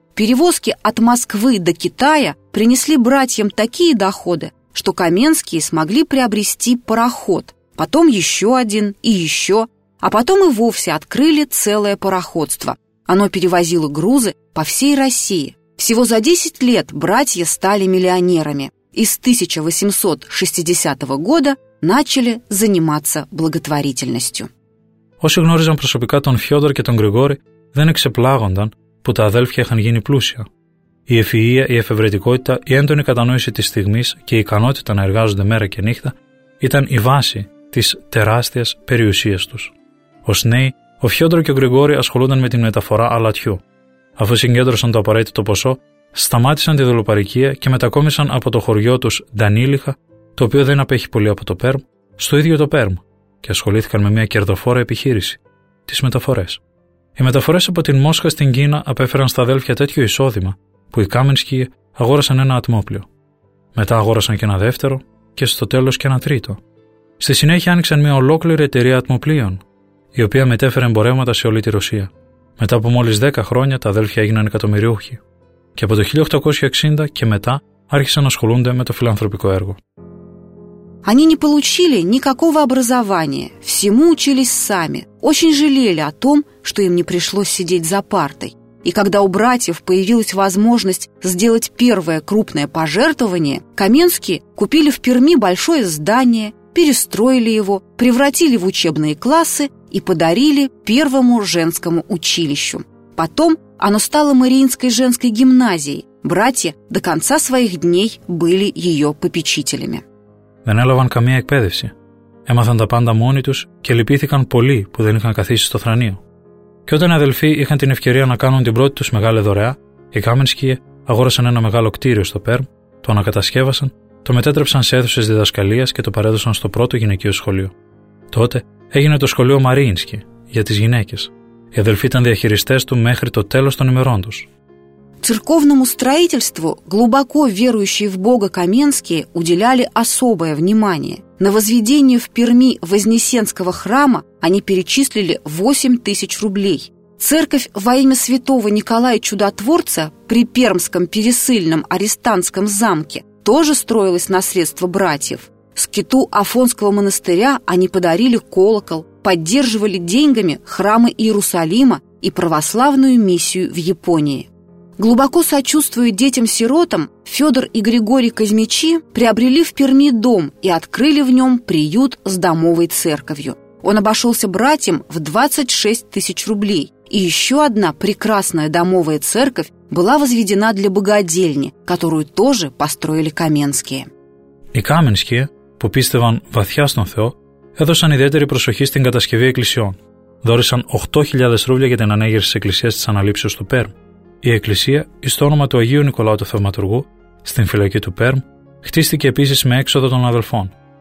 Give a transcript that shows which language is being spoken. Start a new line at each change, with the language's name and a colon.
Russian: Перевозки от Москвы до Китая принесли братьям такие доходы, что Каменские смогли приобрести пароход, потом еще один и еще, а потом и вовсе открыли целое пароходство. Оно перевозило грузы по всей России. Всего за 10 лет братья стали миллионерами и с 1860 года начали заниматься благотворительностью.
Greek: Όσοι γνώριζαν προσωπικά τον Φιόντορ και τον Γρηγόρη, δεν εξεπλάγονταν που τα αδέλφια είχαν γίνει πλούσια. Η ευφυΐα, η εφευρετικότητα, η έντονη κατανόηση της στιγμής και η ικανότητα να εργάζονται μέρα και νύχτα ήταν η βάση της τεράστιας περιουσίας τους. Ως νέοι, ο Φιόντορ και ο Γρηγόρη ασχολούνταν με την μεταφορά αλατιού. Αφού συγκέντρωσαν το απαραίτητο ποσό, σταμάτησαν τη δουλοπαρικία και μετακόμισαν από το χωριό τους Ντανίλιχα, το οποίο δεν απέχει πολύ από το Πέρμ, στο ίδιο το Πέρμ και ασχολήθηκαν με μια κερδοφόρα επιχείρηση, τις μεταφορές. Οι μεταφορές από την Μόσχα στην Κίνα απέφεραν στα αδέλφια τέτοιο εισόδημα που οι Κάμενσκι αγόρασαν ένα ατμόπλιο. Μετά αγόρασαν και ένα δεύτερο και στο τέλος και ένα τρίτο. Στη συνέχεια άνοιξαν μια ολόκληρη εταιρεία ατμοπλίων, η οποία μετέφερε εμπορεύματα σε όλη τη Ρωσία. Μετά από μόλις 10 χρόνια τα αδέλφια έγιναν εκατομμυριούχοι. Και από το 1860 και μετά άρχισαν να ασχολούνται με το φιλανθρωπικό έργο.
Russian: Они не получили никакого образования, всему учились сами, очень жалели о том, что им не пришлось сидеть за партой. И когда у братьев появилась возможность сделать первое крупное пожертвование, Каменские купили в Перми большое здание, перестроили его, превратили в учебные классы и подарили первому женскому училищу. Потом оно стало Мариинской женской гимназией. Братья до конца своих дней были ее попечителями.
Greek: Δεν έλαβαν καμία εκπαίδευση. Έμαθαν τα πάντα μόνοι τους και λυπήθηκαν πολύ που δεν είχαν καθίσει στο θρανείο. Και όταν οι αδελφοί είχαν την ευκαιρία να κάνουν την πρώτη τους μεγάλη δωρεά, οι Κάμενσκι αγόρασαν ένα μεγάλο κτίριο στο Πέρμ, το ανακατασκεύασαν, το μετέτρεψαν σε αίθουσες διδασκαλίας και το παρέδωσαν στο πρώτο γυναικείο σχολείο. Τότε έγινε το σχολείο Μαρίινσκι για τις γυναίκες. Οι αδελφοί ήταν διαχειριστές του μέχρι το τέλος των ημερών τους.
Russian: Церковному строительству глубоко верующие в Бога Каменские уделяли особое внимание. На возведение в Перми Вознесенского храма они перечислили 8 тысяч рублей. Церковь во имя святого Николая Чудотворца при Пермском пересыльном арестантском замке тоже строилась на средства братьев. Скиту Афонского монастыря они подарили колокол, поддерживали деньгами храмы Иерусалима и православную миссию в Японии. Глубоко сочувствуя детям-сиротам, Федор и Григорий Казмичи приобрели в Перми дом и открыли в нем приют с домовой церковью. Он обошелся братьям в 26 тысяч рублей. И еще одна прекрасная домовая церковь была возведена для богадельни, которую тоже построили каменские.
Greek: Οι Κάμενσκοι, που πίστευαν βαθιά στον Θεό, έδωσαν ιδιαίτερη προσοχή στην κατασκευή εκκλησιών. Δώρησαν 8.000 ρούβλια για την ανέγερση της εκκλησίας της Αναλήψεως του Πέρμ. Η εκκλησία, εις το όνομα του Αγίου Νικολάου του Θαυματουργού, στην φυλακή του Πέρμ, χτίστηκε επίσης με έξοδο των αδελφών.